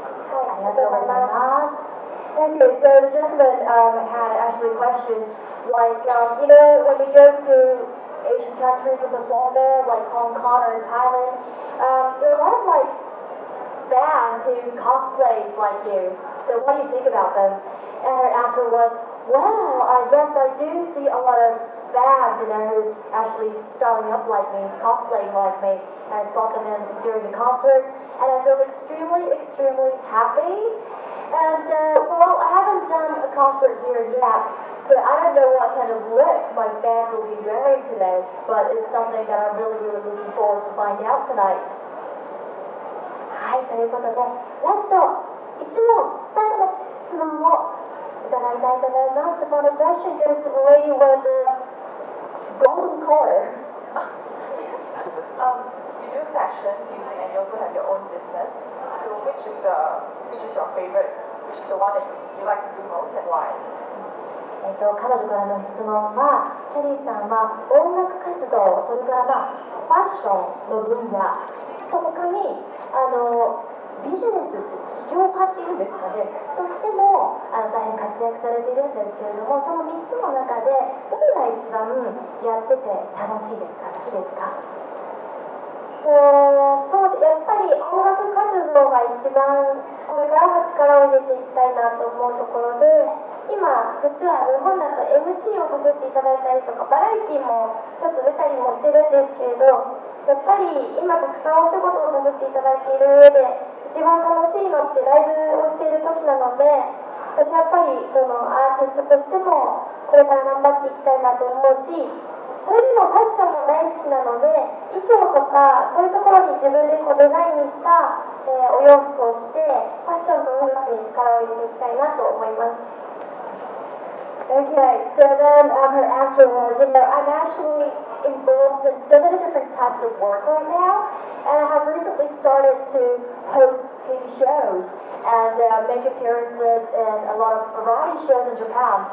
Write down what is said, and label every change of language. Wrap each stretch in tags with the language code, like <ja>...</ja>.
<ja>はい、ありがとうございます。</ja> <en>Okay, so the gentleman had actually a question, when you go to Asian countries of the former, like Hong Kong or Thailand, there are a lot of like bands who cosplay like you. So what do you think about them? And her answer was, well, I guess I do see a lot of fans, who's actually styling up like me, cosplaying like me. I saw them in during the concerts, and I feel extremely, extremely happy. And, I haven't done a concert here yet, so I don't know what kind of look my fans will be wearing today, but it's something that I'm really, really looking forward to find out tonight.</en> <ja>はい、ということで、ラスト1問、最後の質問を。</ja> <en>The last amount of question goes to the lady with the golden collar. You do fashion, music, and you also have your own business. So which is your favorite? Which is the one that you like to do most and why?</en> <ja>彼女からの質問は、キャリーさんは音楽活動、それから、ファッションの分野と他に、ビジネス、企業家っていうんですかね、としても大変活躍されているんですけれども、その3つの中で、どれが一番やってて楽しいですか、好きですか。そうやっぱり音楽活動が一番これからも力を入れていきたいなと思うところで、今実は日本だと MC をさせていただいたりとかバラエティもちょっと出たりもしてるんですけれど、やっぱり今たくさんお仕事をさせていただいている上で一番楽しいのってライブをしている時なので、私やっぱりそのアーティストとしてもこれから頑張っていきたいなと思うし、それでもファッションも大好きなので、衣装とかそういうところに自分でこうデザインした、お洋服を着てファッションと音楽に力を入れていきたいなと思います。</ja> <en>Okay, so then her answer was, I'm actually involved in so many different types of work right now, and I have recently started to host TV shows and make appearances in a lot of variety shows in Japan.</en>